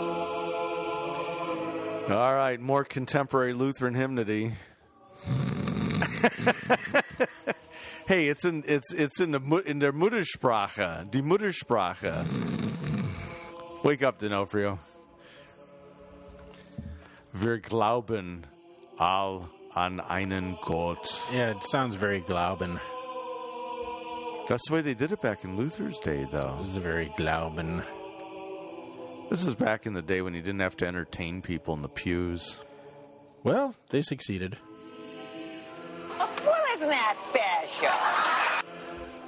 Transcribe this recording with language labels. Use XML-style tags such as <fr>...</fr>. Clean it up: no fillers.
<en>All right, more contemporary Lutheran hymnody. Hey, it's</en> <de>in der Muttersprache, die Muttersprache.</de> <en>Wake up, D'Onofrio.</en> <de>Wir glauben all an einen Gott.</de> <en>Yeah, it sounds very glauben. That's the way they did it back in Luther's day, though. It was very glauben. This is back in the day when you didn't have to entertain people in the pews. Well, they succeeded. Well, isn't that special?</en>